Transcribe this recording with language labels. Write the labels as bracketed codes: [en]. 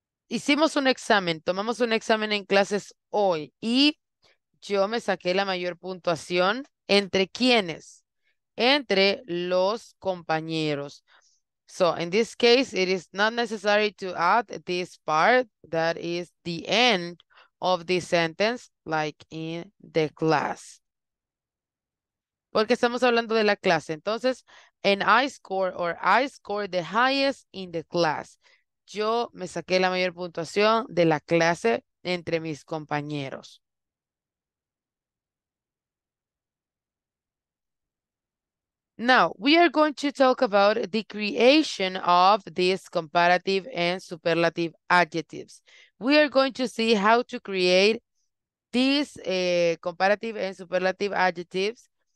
[es] Hicimos un examen, tomamos un examen en clases hoy y yo me saqué la mayor puntuación. ¿Entre quiénes? Entre los compañeros. [en] So, in this case, it is not necessary to add this part that is the end of the sentence, like in the class. [es] Porque estamos hablando de la clase. Entonces, [en] and I score or I scored the highest in the class. [es] Yo me saqué la mayor puntuación de la clase entre mis compañeros. [en] Now, we are going to talk about the creation of these comparative and superlative adjectives. We are going to see how to create these comparative and superlative adjectives.